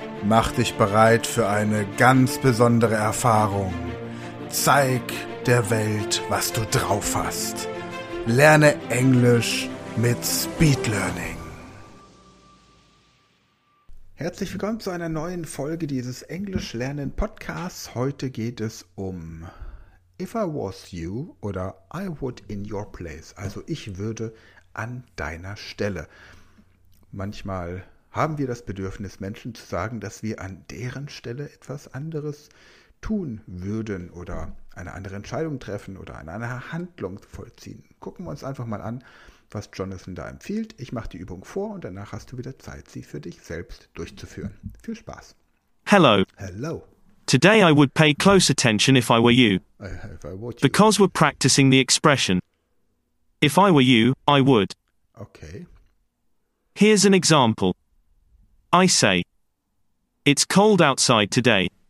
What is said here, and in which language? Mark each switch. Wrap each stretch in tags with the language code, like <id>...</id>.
<de>Mach dich bereit für eine ganz besondere Erfahrung. Zeig der Welt, was du drauf hast. Lerne Englisch mit Speed Learning. Herzlich willkommen zu einer neuen Folge dieses Englisch Lernen Podcasts. Heute geht es um</de> <en>If I was you</en> <de>oder</de> <en>I would in your place.</en> <de>Also ich würde an deiner Stelle. Manchmal haben wir das Bedürfnis, Menschen zu sagen, dass wir an deren Stelle etwas anderes tun würden oder eine andere Entscheidung treffen oder eine Handlung vollziehen. Gucken wir uns einfach mal an, was Jonathan da empfiehlt. Ich mache die Übung vor und danach hast du wieder Zeit, sie für dich selbst durchzuführen. Viel Spaß.</de> <en>Hello. Hello. Today I would pay close attention if I were you. If I were you. Because we're practicing the expression. If I were you, I would. Okay. Here's an example. I say, it's cold outside today.</en>